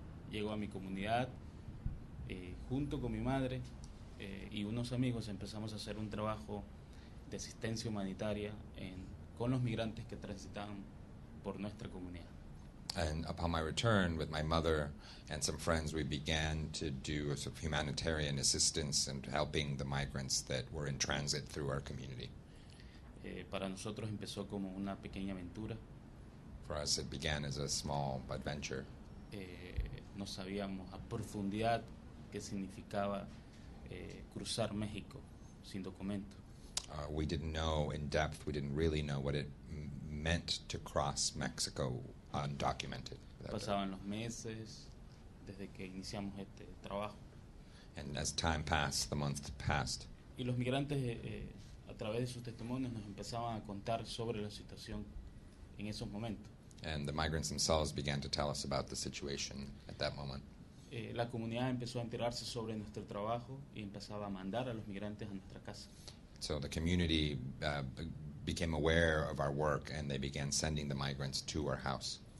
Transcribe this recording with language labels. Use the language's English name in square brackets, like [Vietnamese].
[Spanish] Llego a mi comunidad junto con mi madre y unos amigos, empezamos a hacer un trabajo de asistencia humanitaria con los migrantes que transitaban por nuestra comunidad. [English] And upon my return with my mother and some friends, we began to do a sort of humanitarian assistance and helping the migrants that were in transit through our community. [Spanish] Para nosotros empezó como una pequeña aventura. [English] For us, it began as a small adventure. [Spanish] No sabíamos a profundidad qué significaba cruzar México sin documento. [English] We didn't know in depth, we didn't really know what it meant to cross Mexico undocumented. [Spanish] Pasaban los meses desde que iniciamos este trabajo. [English] And as time passed, the months passed. [Spanish] Y los migrantes, a través de sus testimonios, nos empezaban a contar sobre la situación en esos momentos. [English] And the migrants themselves began to tell us about the situation at that moment. [Spanish] La comunidad empezó a enterarse sobre nuestro trabajo y empezaba a mandar a los migrantes a nuestra casa. [English] So the community became aware of our work and they began sending the migrants to our house.